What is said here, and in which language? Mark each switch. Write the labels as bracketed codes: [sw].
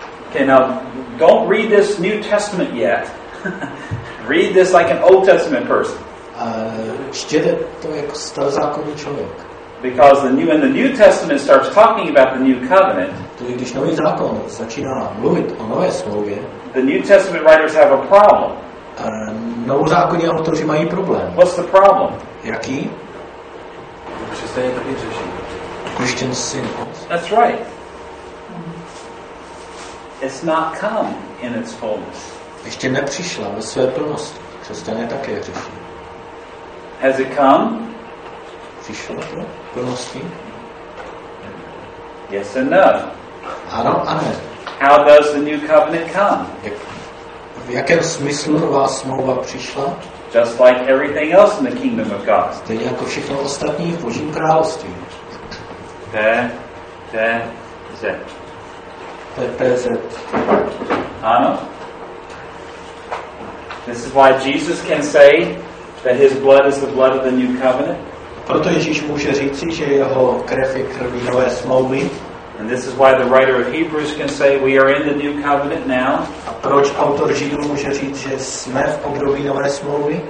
[en] Okay, now don't read this New Testament yet. Read this like an Old Testament person. [cs] Čtěte to jako starozákonní člověk. [en] Because the new Testament starts talking about the new covenant. [cs] To je, když nový zákon začíná mluvit o nové smlouvě. [en] The New Testament writers have a problem. [cs] Novozákonní autoři mají problém. [en] What's the problem? [cs] Jaký? [en] Christian sin. That's right. It's not come in its fullness. [cs] Ještě nepřišla ve své plnosti. Křesťané také řeší. [en] Has it come? [cs] Přišlo to? Plnosti? [en] Yes and no. [cs] Ano a ne. [en] How does the new covenant come? [cs] V jakém smyslu nová smlouva přišla? [en] Just like everything else in the kingdom of God. [cs] Stejně jako všechno ostatní v Božím království. P-P-Z. P-P-Z. Ano. [en] This is why Jesus can say that his blood is the blood of the new covenant. [cs] Proto Ježíš může říci, že jeho krev je krví nové smlouvy. [en] And this is why the writer of Hebrews can say we are in the new covenant now. [cs] A proč autor Židů může říct, že jsme v období nové smlouvy?